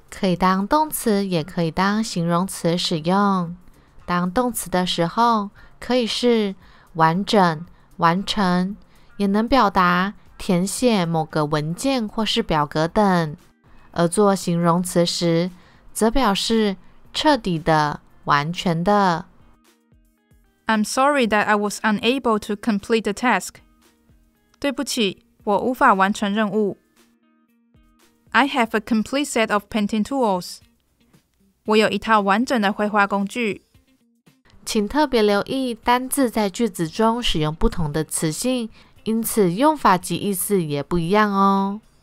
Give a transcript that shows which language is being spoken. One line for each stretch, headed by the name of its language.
Chinese: 可以当动词也可以当形容词使用，当动词的时候可以是完整、完成，也能表达填写某个文件或是表格等，而做形容词时则表示彻底的、完全的。
English: I'm sorry that I was unable to complete the task.
Chinese: 对不起，我无法完成任务。
English: I have a complete set of painting tools.
Chinese: 我有一套完整的绘画工具。请特别留意单字在句子中使用不同的词性，因此用法及意思也不一样哦。